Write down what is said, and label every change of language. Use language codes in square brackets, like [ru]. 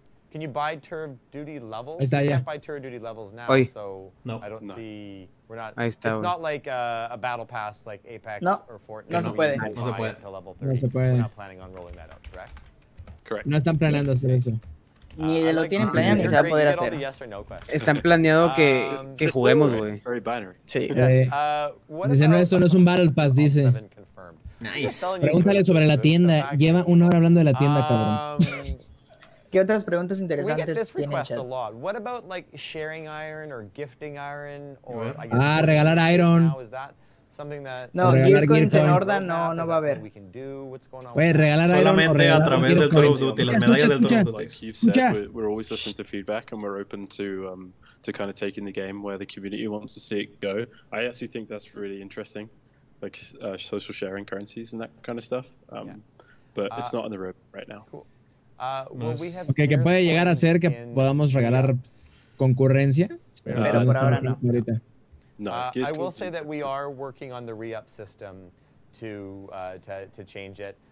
[en] Can you buy Tour of Duty levels? Is that, you can't buy Tour of Duty levels now, so nope. I don't see. We're not. [es] Está, [en] it's not like a battle pass like Apex or Fortnite. [es] No, no se puede. No se puede. [en] To level 30. [es] No se puede. [en] We're not planning on rolling that out, correct? Correct. [es] No están planeando hacer eso. Ni lo like tienen planeado ni se va a poder hacer. [en] Yes no [es] están planeado que juguemos, güey. [en] Very binary. [es] Sí. Dicen, esto no es un battle pass, dice. [en] Nice. [es] Pregúntale sobre la tienda. Lleva una hora hablando de la tienda, cabrón. ¿Qué otras preguntas interesantes tienen? [en] We get this request a lot. What about like sharing iron or gifting iron or [es] regalar iron. No, regalar gear coins en Horda no va a haber. Pues regalar iron solamente a través del Tour of Duty, las medallas del Tour of Duty. [en] We're always listening to feedback and we're open to kind of taking the game where the community wants to see it go. I actually think that's really interesting. Like social sharing currencies and that kind of stuff. But it's not on the road right now. Cool. [es] Okay, que puede llegar a ser que podamos regalar concurrencia, pero por ahora no. Ahorita. No, [en] I will say that we are working on the re-up system to change it.